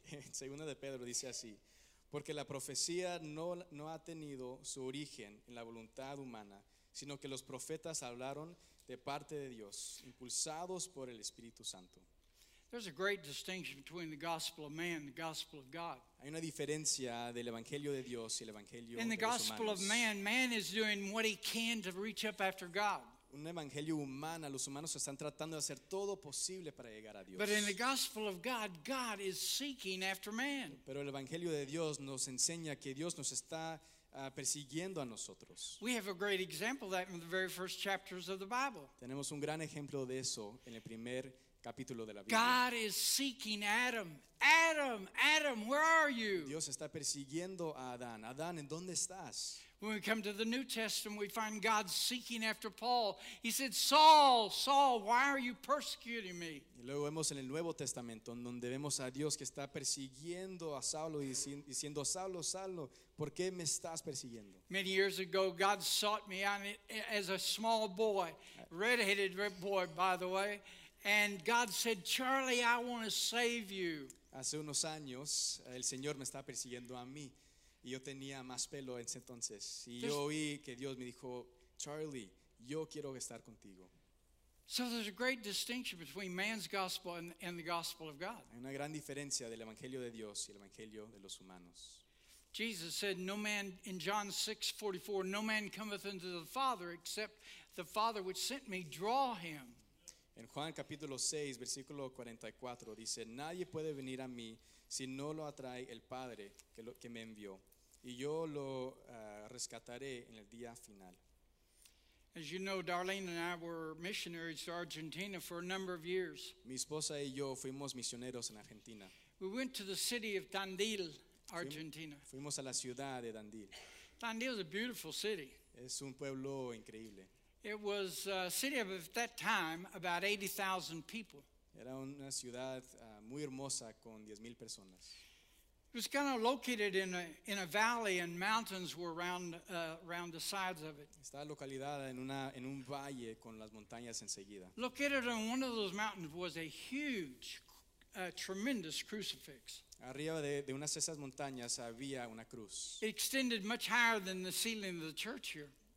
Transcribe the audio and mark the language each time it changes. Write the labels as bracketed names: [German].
[Spanish] Segunda de Pedro dice así, porque la profecía no ha tenido su origen en la voluntad humana, sino que los profetas hablaron de parte de Dios, impulsados por el Espíritu Santo. [English] There's a great distinction between the gospel of man and the gospel of God. [Spanish] Hay una diferencia del evangelio de Dios y el evangelio de los humanos. [English] In the gospel of man is doing what he can to reach up after God. [Spanish] Un evangelio humano, los humanos están tratando de hacer todo posible para llegar a Dios. [English] But in the gospel of God, God is seeking after man. [Spanish] Pero el evangelio de Dios nos enseña que Dios nos está persiguiendo a nosotros. [English] We have a great example of that in the very first chapters of the Bible. [Spanish] Tenemos un gran ejemplo de eso en el primer capítulo de la Biblia. [English] God is seeking Adam. Adam, where are you? [Spanish] Dios está persiguiendo a Adán. Adán, ¿en dónde estás? [English] When we come to the New Testament, we find God seeking after Paul. He said, Saul, why are you persecuting me? [Spanish] Y luego vemos en el Nuevo Testamento, donde vemos a Dios que está persiguiendo a Saulo y diciendo, Saulo, ¿por qué me estás persiguiendo? [English] Many years ago, God sought me out as a small boy, red-headed boy, by the way. And God said, Charlie, I want to save you. [Spanish] Hace unos años, el Señor me estaba persiguiendo a mí. Y yo tenía más pelo en ese entonces. Y yo oí que Dios me dijo, Charlie, yo quiero estar contigo. [English] So there's a great distinction between man's gospel and the gospel of God. [Spanish] Hay una gran diferencia del evangelio de Dios y el evangelio de los humanos. [English] Jesus said, no man, in John 6:44, no man cometh unto the Father except the Father which sent me draw him. [Spanish] En Juan capítulo 6, versículo 44, dice, nadie puede venir a mí si no lo atrae el Padre que me envió, y yo lo rescataré en el día final. [English] As you know, Darlene and I were missionaries to Argentina for a number of years. [Spanish] Mi esposa y yo fuimos misioneros en Argentina. [English] We went to the city of Tandil, Argentina. [Spanish] Fuimos a la ciudad de Tandil. [English] Tandil is a beautiful city. [Spanish] Es un pueblo increíble. [English] It was a city of, at that time, about 80,000 people. [Spanish] Era una ciudad muy hermosa con 10,000 personas. [English] It was kind of located in a valley, and mountains were around the sides of it. [Spanish] Está localizada en un valle con las montañas enseguida. [English] Located on one of those mountains was a huge, tremendous crucifix. [Spanish] Arriba de unas esas montañas había una cruz. [English] It extended much higher than the ceiling of the church here.